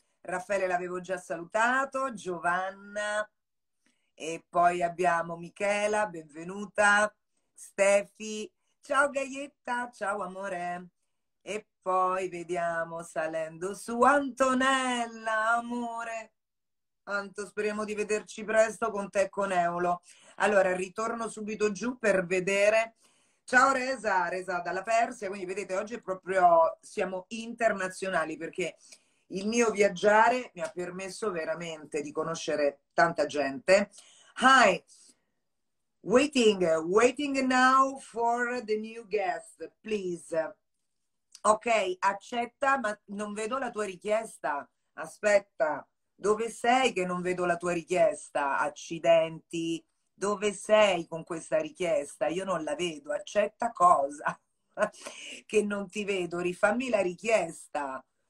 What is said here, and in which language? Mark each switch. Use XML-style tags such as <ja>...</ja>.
<it>Raffaele l'avevo già salutato, Giovanna, e poi abbiamo Michela, benvenuta, Stefi, ciao Gaietta, ciao amore, e poi vediamo salendo su Antonella, amore, Anto, speriamo di vederci presto con te e con Eolo. Allora, ritorno subito giù per vedere. Ciao Resa, Resa dalla Persia, quindi vedete, oggi è proprio, siamo internazionali perché il mio viaggiare mi ha permesso veramente di conoscere tanta gente.</it> <en>Hi, waiting now for the new guest, please.</en> <it>Ok, accetta, ma non vedo la tua richiesta. Aspetta, dove sei che non vedo la tua richiesta? Accidenti, dove sei con questa richiesta? Io non la vedo. Accetta cosa? Che non ti vedo, rifammi la richiesta.</it>